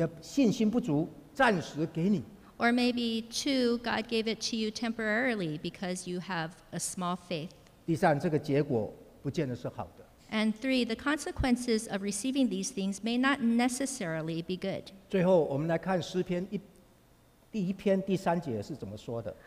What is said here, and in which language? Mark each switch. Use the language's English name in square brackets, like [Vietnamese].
[Chinese] 第二，这可能是神怜悯你的信心不足，暂时给你。 [English] Or maybe two, God gave it to you temporarily because you have a small faith. [Chinese] 第三，这个结果不见得是好的。 [English] And three, the consequences of receiving these things may not necessarily be good. [Chinese] 最后，我们来看诗篇第一篇第三节是怎么说的。